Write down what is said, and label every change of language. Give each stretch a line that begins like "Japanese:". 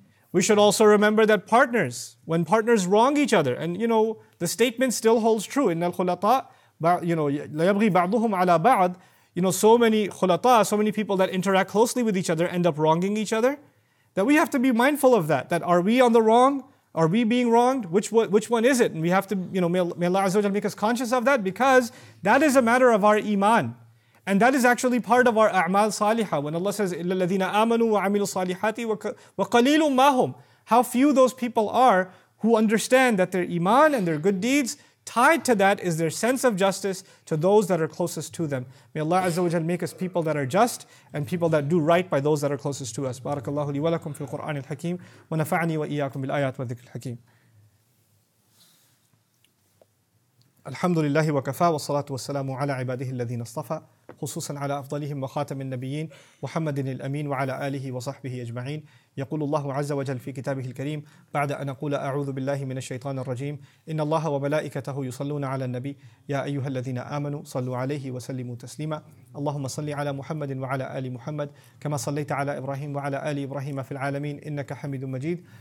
English: We should also remember that when partners wrong each other, and you know, the statement still holds true,
Arabic: إِنَّ الْخُلَطَاء,
English: you know,
Arabic: لَيَبْغِي بَعْضُهُمْ عَلَى بَعْضٍ,
English: you know, so many خُلَطَاء, so many people that interact closely with each other end up wronging each other, that we have to be mindful of that. That are we on the wrong? Are we being wronged? Which one is it? And we have to, you know, may Allah Azza wa Jal make us conscious of that, because that is a matter of our iman. And that is actually part of our a'mal salihah. When Allah says,
Arabic: إِلَّا الَّذِينَ آمَنُوا وَعَمِلُوا صَالِحَاتِ وَقَلِيلٌ مَا هُمْ.
English: How few those people are who understand that their iman and their good deeds, tied to that is their sense of justice to those that are closest to them. May Allah Azza wa Jal make us people that are just and people that do right by those that are closest to us.
Arabic: Barakallahu li wa lakum fil Qur'an al-Hakim wa nafa'ani wa iyaakum bil ayat wa dhikr al-Hakim. Alhamdulillahi wa kafa wa salatu wa salamu ala ibadihi alladhina astafa, خصوصا على أفضلهم وخاتم النبيين محمد الأمين وعلى آله وصحبه أجمعين. يقول الله عز وجل في كتابه الكريم بعد أن أقول أعوذ بالله من الشيطان الرجيم, إن الله وملائكته يصلون على النبي, يا أيها الذين آمنوا صلوا عليه وسلموا تسليما. اللهم صل على محمد وعلى آل محمد كما صليت على إبراهيم وعلى آل إبراهيم في العالمين, إنك حميد مجيد.